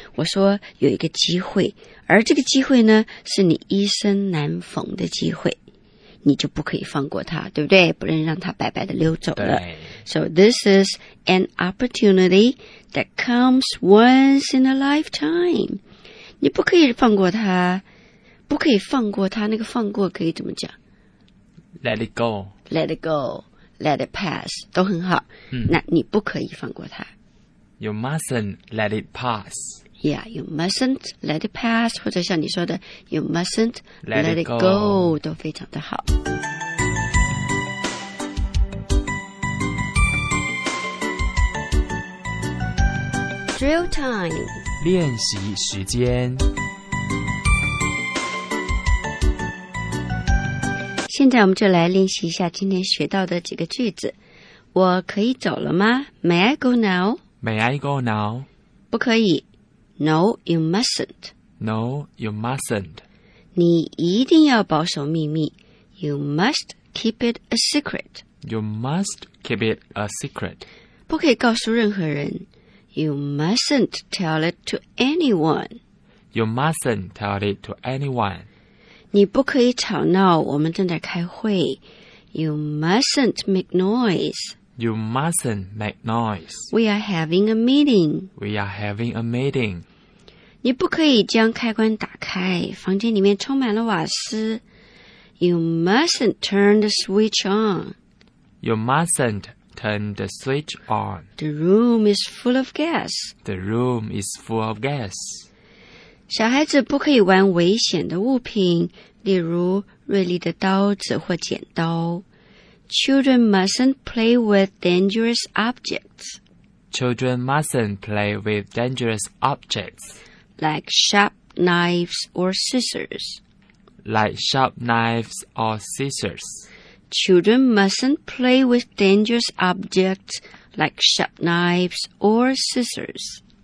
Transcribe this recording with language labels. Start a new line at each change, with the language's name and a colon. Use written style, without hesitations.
Chinese: 我说有一个机会，而这个机会呢是你一生难逢的机会，你就不可以放过它，对不对？不能让它白白的溜走了。
English: So this is an opportunity that comes once in a lifetime.
Chinese: 你不可以放过它，不可以放过它。那个放过可以怎么讲？
English: Let it go. Let it goLet it pass
Chinese: 都很好、嗯、那你不可以放过它。
English: You mustn't let it pass. Yeah, you mustn't let it pass.
Chinese: 或者像你说的
English: You mustn't let it go
Chinese: 都非常的好。
English: Drill time
Chinese: 练习时间。现在我们就来练习一下今天学到的几个句子。我可以走了吗？
English: May I go now?
Chinese: May I go now? 不可以。
English: No, you mustn't. No, you mustn't.
Chinese: 你一定要保守秘密。
English: You must keep it a secret. You must keep it a secret.
Chinese: 不可以告诉任何人。
English: You mustn't tell it to anyone. You mustn't tell it to anyone.
Chinese: 你不可以吵闹，我们正在开会。
English: You mustn't make noise. You mustn't make noise. We are having a meeting. We are having a meeting.
Chinese: 你不可以将开关打开，房间里面充满了瓦斯。
English: You mustn't turn the switch on. You mustn't turn the switch on. The room is full of gas. The room is full of gas.
Chinese: 小孩子不可以玩危险的物品，例如锐利的刀子或剪刀。
English: Children mustn't play with dangerous objects. Children mustn't play with dangerous objects. Like sharp knives or scissors. Like sharp knives or scissors. Children mustn't play with dangerous objects like sharp knives or scissors.